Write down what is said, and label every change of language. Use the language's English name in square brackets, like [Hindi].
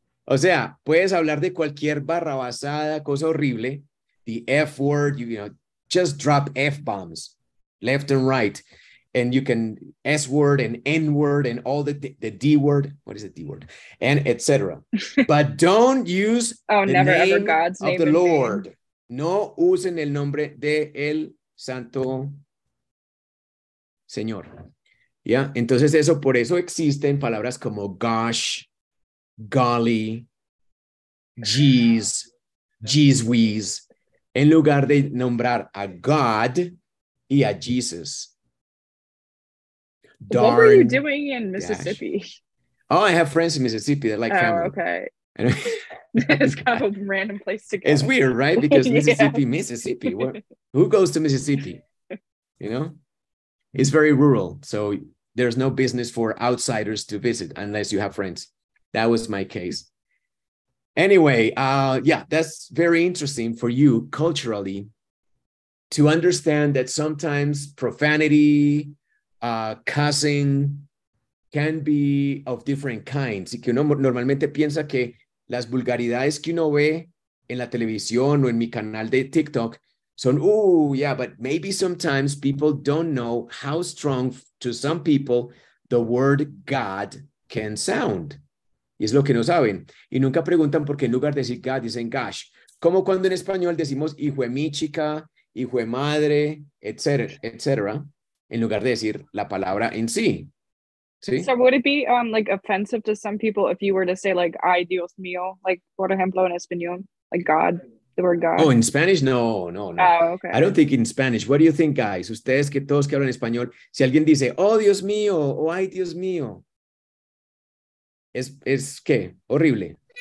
[Spanish] O sea, puedes hablar de cualquier barrabasada, cosa horrible. [English] The F word, you know, just drop F bombs left and right. And you can S word and N word and all the D word. What is the D word? And et cetera. But don't use the name of the Lord. [Spanish] No usen el nombre de el Santo Señor. Yeah. Entonces eso, por eso existen palabras como gosh, golly, geez, geez wheeze. En lugar de nombrar a God y a Jesus. [English] Darn, what were you doing in Mississippi? Gosh. Oh, I have friends in Mississippi that like family. Oh, okay. It's kind of a random place to go. It's weird, right? Because Mississippi, yeah. Mississippi. Who goes to Mississippi? You know? It's very rural. So there's no business for outsiders to visit unless you have friends. That was my case. Anyway, yeah, that's very interesting for you culturally to understand that sometimes profanity, cussing can be of different kinds. [Spanish] Y que uno normalmente piensa que las vulgaridades que uno ve en la televisión o en mi canal de TikTok [English] So, oh yeah, but maybe sometimes people don't know how strong to some people the word God can sound. [Spanish] Y es lo que no saben. Y nunca preguntan por qué en lugar de decir God dicen gosh. Como cuando en español decimos hijo de mi chica, hijo de madre, etc., en lugar de decir la palabra en sí. ¿Sí? [English] So would it be like offensive to some people if you were to say like [Spanish] ay Dios mío, [English] like [Spanish] por ejemplo en español, [English] like God, the word God? Oh, in Spanish, no. Oh, okay. I don't think in Spanish. What do you think, guys? [Spanish] Ustedes que todos que hablan español, si alguien dice oh Dios mío, oh ay Dios mío, es qué, horrible.